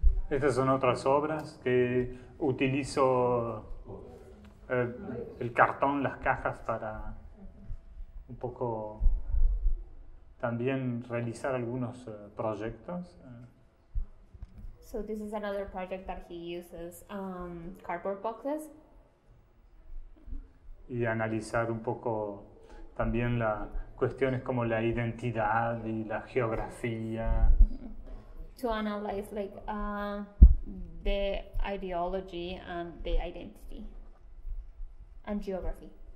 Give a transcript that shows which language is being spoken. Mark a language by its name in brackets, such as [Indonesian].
[Spanish] Estas son otras obras que utilizo el cartón, las cajas para un poco también realizar algunos proyectos. [English] So this is another project that he uses cardboard boxes. [Spanish] Y analizar un poco también las cuestiones como la identidad y la geografía. [English] To analyze like the ideology and the identity and geography.